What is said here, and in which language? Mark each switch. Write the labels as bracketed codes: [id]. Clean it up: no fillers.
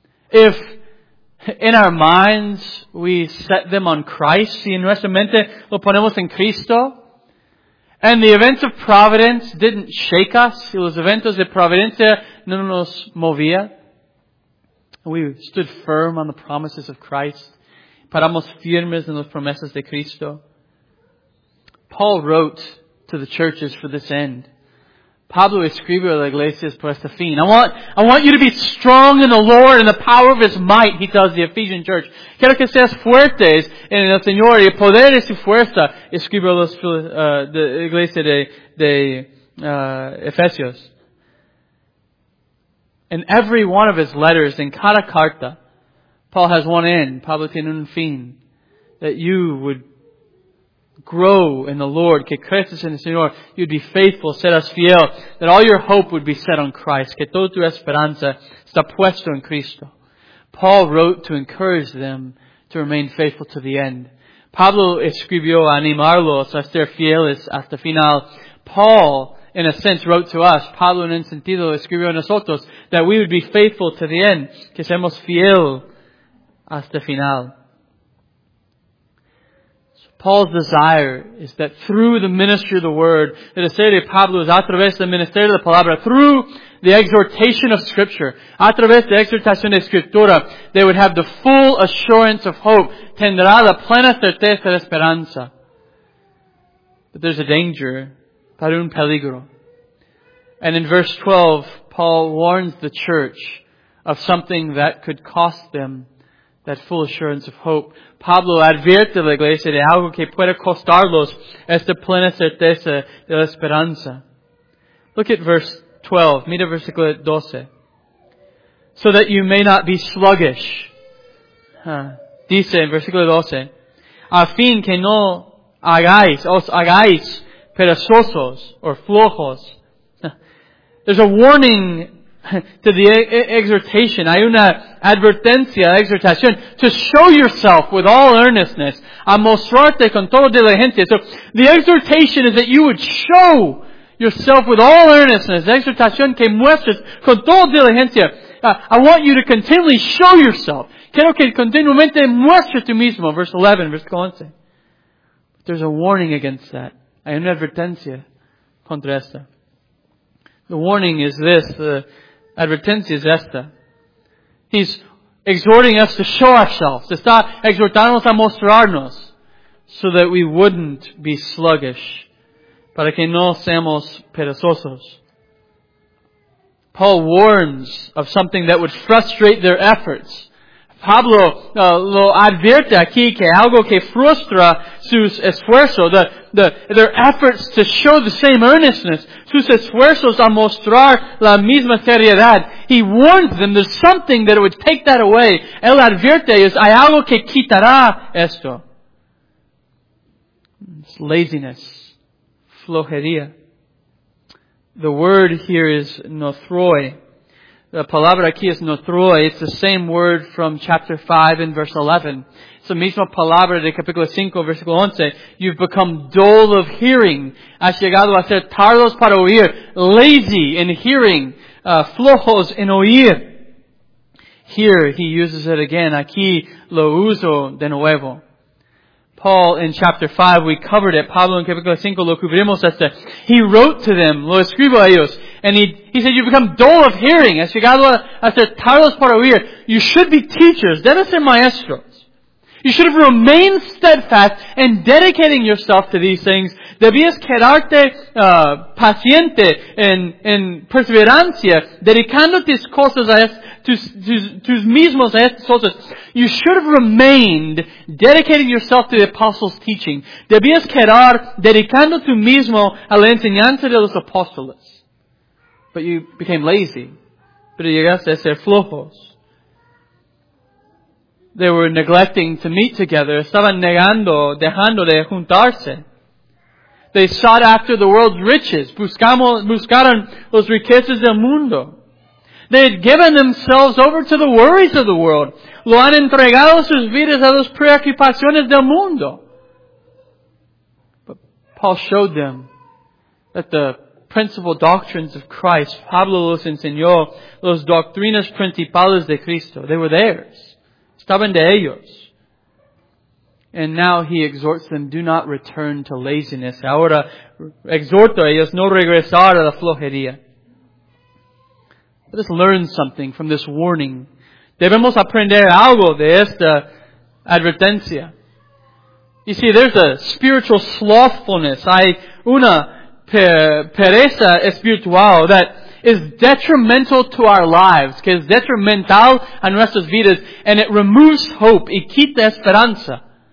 [en] If in our minds we set them on Christ, [es] si en nuestra mente lo ponemos en Cristo, [en] and the events of providence didn't shake us, [es] y los eventos de providencia no nos movía, [en] we stood firm on the promises of Christ, [es] paramos firmes en las promesas de Cristo. [en] Paul wrote to the churches for this end. [es] Pablo escribió a la iglesia por este fin. [en] I want you to be strong in the Lord and the power of His might, he tells the Ephesian church. [es] Quiero que seas fuertes en el Señor y el poder de su fuerza, escribió a la iglesia de Efesios. [en] In every one of his letters, in [es] cada carta, [en] Paul has one end, [es] Pablo tiene un fin, [en] that you would grow in the Lord, [es] que creces en el Señor, [en] you'd be faithful, [es] serás fiel, [en] that all your hope would be set on Christ, [es] que toda tu esperanza está puesto en Cristo. [en] Paul wrote to encourage them to remain faithful to the end. [es] Pablo escribió a animarlos a ser fieles hasta final. [en] Paul, in a sense, wrote to us. [es] Pablo, en un sentido, escribió a nosotros [en] that we would be faithful to the end, [es] que seamos fiel hasta final. [en] Paul's desire is that through the ministry of the word, the [es] deseo de Pablo [en] is [es] a través del ministerio de la palabra, [en] through the exhortation of Scripture, [es] a través de exhortación de Escritura, [en] they would have the full assurance of hope, [es] tendrá la plena certeza de esperanza. [en] But there's a danger, [es] para un peligro. [en] And in verse 12, Paul warns the church of something that could cost them that full assurance of hope. [es] Pablo advierte la iglesia de algo que puede costarlos esta plena certeza de la esperanza. [en] Look at verse 12. [es] Mira versículo 12. [en] So that you may not be sluggish. [es] Dice en versículo 12. A fin que no hagáis, os hagáis perezosos or flojos. [en] There's a warning to the exhortation, [es] hay una advertencia, exhortación, [en] to show yourself with all earnestness, [es] a mostrarte con toda diligencia. [en] So the exhortation is that you would show yourself with all earnestness, [es] exhortación que muestres con toda diligencia. [en] I want you to continually show yourself. [es] Quiero que continuamente muestres tú mismo. [en] Verse 11, verse 11. There's a warning against that. [es] Hay una advertencia contra esta. [en] The warning is this. The [es] advertencia es esta. [en] He's exhorting us to show ourselves. [es] Está exhortándonos a mostrarnos [en] so that we wouldn't be sluggish. [es] Para que no seamos perezosos. [en] Paul warns of something that would frustrate their efforts. [es] Pablo lo advierte aquí que algo que frustra sus esfuerzos, [en] their efforts to show the same earnestness, [es] sus esfuerzos a mostrar la misma seriedad. [en] He warns them there's something that would take that away. [es] Él advierte es hay algo que quitará esto. [en] It's laziness, [es] flojería. [en] The word here is nothroi. [es] The palabra aquí es nothroi. [en] It's the same word from chapter 5 in verse 11. It's the [es] misma palabra de capítulo 5, versículo 11. [en] You've become dull of hearing. [es] Has llegado a ser tardos para oír. [en] Lazy in hearing. [es] Flojos en oír. [en] Here he uses it again. [es] Aquí lo uso de nuevo. [en] Paul in chapter 5, we covered it. [es] Pablo en capítulo 5, lo cubrimos este. [en] He wrote to them, [es] lo escribo a ellos. [en] And he said, you've become dull of hearing. [es] Has llegado a ser tardos para oír. [en] You should be teachers. [es] Debes ser maestros. [en] You should have remained steadfast in dedicating yourself to these things. [es] Debías quedarte paciente en perseverancia, dedicando tus cosas a tus mismos a estas cosas. [en] You should have remained dedicating yourself to the apostles' teaching. [es] Debías quedar dedicando tú mismo a la enseñanza de los apóstoles. [en] But you became lazy. [es] Pero llegaste a ser flojos. [en] They were neglecting to meet together. [es] Estaban negando, dejando de juntarse. [en] They sought after the world's riches. [es] Buscaron los riquezas del mundo. [en] They had given themselves over to the worries of the world. [es] Lo han entregado sus vidas a las preocupaciones del mundo. [en] But Paul showed them that the principal doctrines of Christ, [es] Pablo los enseñó, los doctrinas principales de Cristo, [en] they were theirs. [es] Estaban de ellos. [en] And now he exhorts them, do not return to laziness. [es] Ahora exhorto a ellos no regresar a la flojería. [en] Let us learn something from this warning. [es] Debemos aprender algo de esta advertencia. [en] You see, there's a spiritual slothfulness. [es] Hay una pereza espiritual [en] that is detrimental to our lives, [es] que es detrimental a nuestras vidas, [en] and it removes hope, [es] y quita esperanza.